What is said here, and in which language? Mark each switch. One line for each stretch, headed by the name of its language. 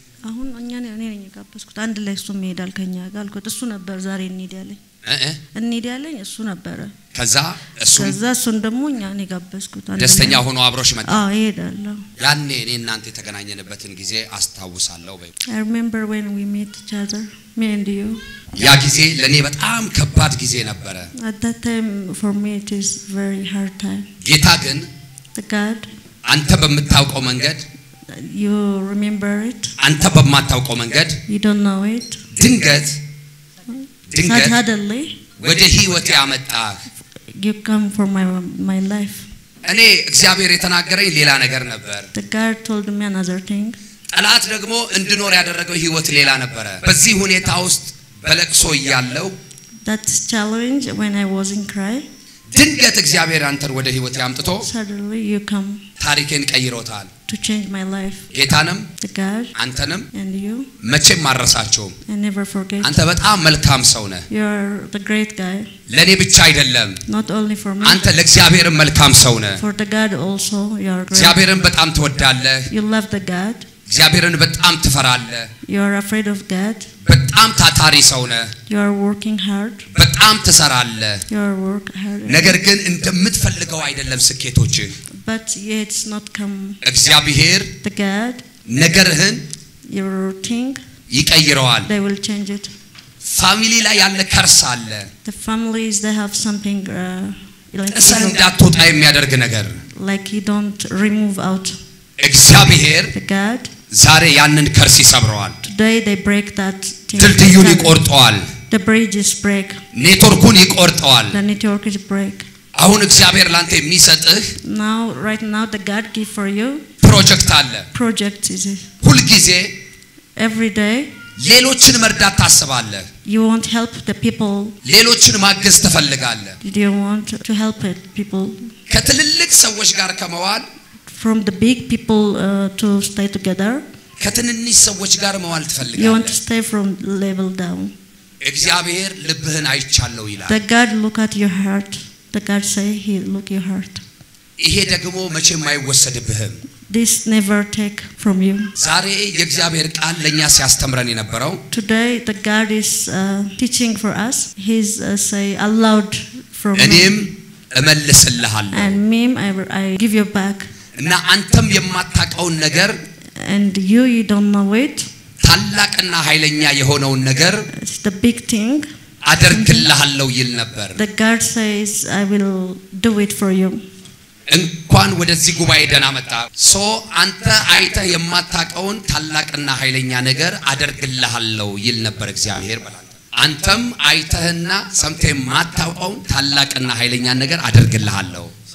Amharic: አሁን እኛ ነኝ እኔ ጋበዝኩት። አንድ ላይ እሱም ይሄዳል ከኛ ጋር አልኩት። እሱ ነበር ዛሬ እንሂድ ያለኝ እሱ ነበረ። ከዛ እሱን ደግሞ እኛ ነኝ ጋበዝኩት። ደስተኛ ሆኖ አብሮሽ መጣ? አዎ ይሄዳል። ያኔ እኔ እናንተ የተገናኘንበትን ጊዜ አስታውሳለሁ።
English: I remember when we met each other, me and you.
Amharic: ያ ጊዜ ለኔ በጣም ከባድ ጊዜ ነበረ።
English: At that time for me it is very hard time.
Amharic: ጌታ ግን
English: the God
Amharic: አንተ በምታውቀው መንገድ
English: you remember it
Amharic: አንተ በማታውቀው መንገድ
English: you don't know it
Amharic: ድንገት
English: suddenly
Amharic: ወደ ህይወቴ አመጣ።
English: you come for my life
Amharic: እኔ እግዚአብሔር የተናገረኝ ሌላ ነገር ነበር።
English: the God told me another thing
Amharic: ጠላት ደግሞ እንድኖር ያደረገው ህይወት ሌላ ነበር። በዚህ ሁኔታ ውስጥ በለቅሶ ያለው
English: that challenge when I was in cry
Amharic: ድንገት እግዚአብሔር አንተን ወደ ህይወቴ አመጣ።
English: suddenly you come
Amharic: ታሪኬን ቀይሮታል።
English: to change my life
Amharic: ጌታንም
English: the God
Amharic: አንተንም
English: and you
Amharic: መቼም ማረሳቸው
English: and never forget
Amharic: አንተ በጣም መልካም ሰው ነህ።
English: you are the great guy
Amharic: ለኔ ብቻ አይደለም
English: not only for me
Amharic: አንተ ለእግዚአብሔርም መልካም ሰው ነህ።
English: for the God also you are great
Amharic: እግዚአብሔርን በጣም ትወዳለህ።
English: you love the God
Amharic: እግዚአብሔርን በጣም ትፈራለህ።
English: you are afraid of God
Amharic: በጣም ታታሪ ሰው ነህ።
English: you are working hard
Amharic: በጣም ትሰራለህ።
English: you are work hard
Amharic: ነገር ግን እንደምትፈልገው አይደለም ስኬቶች
English: but yet it's not come
Amharic: እግዚአብሔር
English: the God
Amharic: ነገርህን
English: your thing
Amharic: ይቀይረዋል።
English: they will change it
Amharic: family ላይ ያለ ከርስ አለ
English: the family is they have something
Amharic: እሳት እንዳትወጣ የሚያደርግ ነገር
English: like you don't remove out
Amharic: እግዚአብሔር
English: the God
Amharic: ዛሬ ያንን ከርስ ይሰብረዋል።
English: today they break that thing
Amharic: ድልድዩን ይቆርጠዋል።
English: the bridge is break
Amharic: ኔትወርኩን ይቆርጠዋል።
English: the network is break
Amharic: አሁን እግዚአብሔር ላንተ የሚሰጥህ
English: now right now the God give for you
Amharic: project አለ
English: project is it
Amharic: ሁልጊዜ
English: every day
Amharic: ሌሎችን መርዳት ታስባለህ
English: you want help the people
Amharic: ሌሎችን ማገዝ ተፈልጋለህ
English: do you want to help it people
Amharic: ከትልልቅ ሰዎች ጋር ከመዋል
English: from the big people to stay together
Amharic: ከትንንሽ ሰዎች ጋር መዋል ትፈልጋለህ
English: you want to stay from level down
Amharic: እግዚአብሔር ልብህን አይቻለው ይላል
English: the god look at your heart the god say he look your heart
Amharic: ይሄ ደግሞ መቼም አይወሰድብህም
English: this never take from you
Amharic: ዛሬ የእግዚአብሔር ቃል ለኛ ሲያስተምረን የነበረው
English: today the god is teaching for us he's say aloud from
Amharic: him እመልስልሃለሁ
English: and meme I give you back
Amharic: እና አንተም የማታውቀውን ነገር
English: and you don't know it
Amharic: ታላቅና ኃይለኛ የሆነውን ነገር
English: the big thing
Amharic: አደርግልሃለሁ ይል ነበር
English: the god says I will do it for you
Amharic: እንኳን ወደዚህ ጉባኤ ደና መጣ ሶ አንተ አይተ የማታውቀውን ታላቅና ኃይለኛ ነገር አደርግልሃለሁ ይል ነበር እግዚአብሔር ማለት አንተም አይተህና ሰምተህ የማታውቀውን ታላቅና ኃይለኛ ነገር አደርግልሃለሁ